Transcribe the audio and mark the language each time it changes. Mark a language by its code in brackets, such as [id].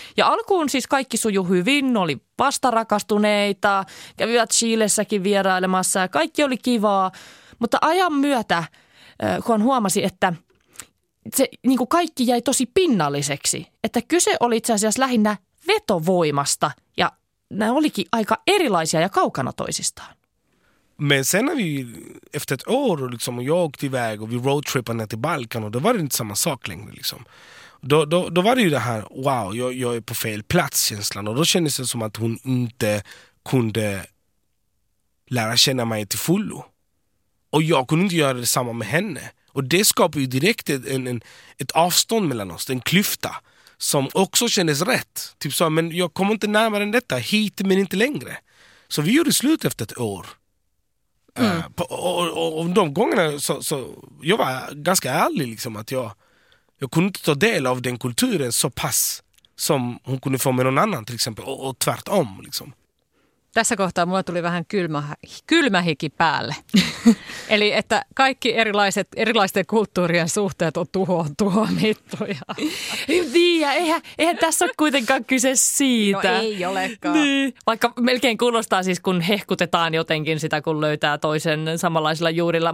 [fi] Ja alkuun siis kaikki sujui hyvin, oli vastarakastuneita, kävivät Chilessäkin vierailemassa ja kaikki oli kivaa. Mutta ajan myötä, kun huomasi, että se, niin kuin kaikki jäi tosi pinnalliseksi, että kyse oli itse asiassa lähinnä vetovoimasta ja nämä olikin aika erilaisia ja kaukana toisistaan. [sv] Men sen när vi efter ett år liksom, och jag åkte iväg och vi roadtrippade ner till Balkan och då var det inte samma sak längre. Liksom. Då var det ju det här, wow, jag är på fel plats-känslan. Och då kändes det som att hon inte kunde lära känna mig till fullo. Och jag kunde inte göra detsamma med henne. Och det skapade ju direkt ett avstånd mellan oss, en klyfta som också kändes rätt. Typ så, men jag kommer inte närmare än detta, hit men inte längre. Så vi gjorde slut efter ett år. Mm. Och de gångerna så jag var ganska ärlig liksom, att jag kunde inte ta del av den kulturen så pass som hon kunde få med någon annan till exempel och tvärtom liksom. [fi] Tässä kohtaa mulla tuli vähän kylmähiki päälle. Eli että kaikki erilaisten kulttuurien suhteet on tuhoamittuja. Niin, ja eihän tässä ole kuitenkaan kyse siitä. No ei olekaan. Niin. Vaikka melkein kuulostaa siis, kun hehkutetaan jotenkin sitä, kun löytää toisen samanlaisilla juurilla.